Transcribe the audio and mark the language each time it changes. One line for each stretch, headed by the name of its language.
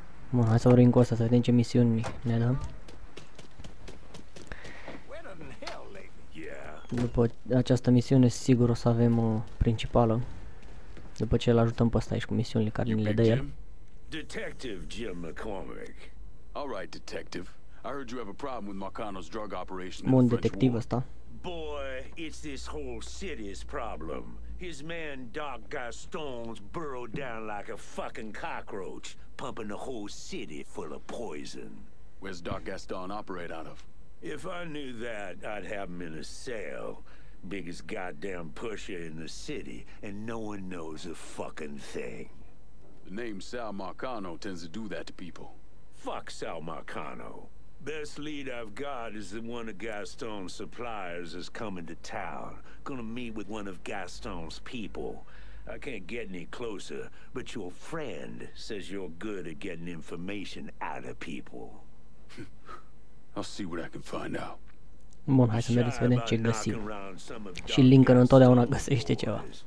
Romanian: Bun, hai să vorbim cu asta, să vedem ce misiuni ne dăm. După această misiune, sigur o să avem o principală. După ce îl ajutăm pe ăsta aici cu misiunile care ni le dă el.
English: Detective Jim McCormick. Alright, detective. I heard you have a problem with Marcano's drug operation in the French war. Boy, it's this whole city's problem. His man Doc Gaston's burrowed down like a fucking cockroach, pumping the whole city full of poison. Where's Doc Gaston operate out of? If I knew that, I'd have him in a cell. Biggest goddamn pusher in the city, and no one knows a fucking thing. The name Sal Marcano tends to do that to people. Fuck Sal Marcano. Best lead I've got is that one of Gaston's suppliers is coming to town. Gonna meet with one of Gaston's people. I can't get any closer, but your friend says you're good at getting information out of people. I'll see what I can find out.
Romanian: Bun, hai să mergem să vedem ce găsim. Și Lincoln întotdeauna găsește ceva.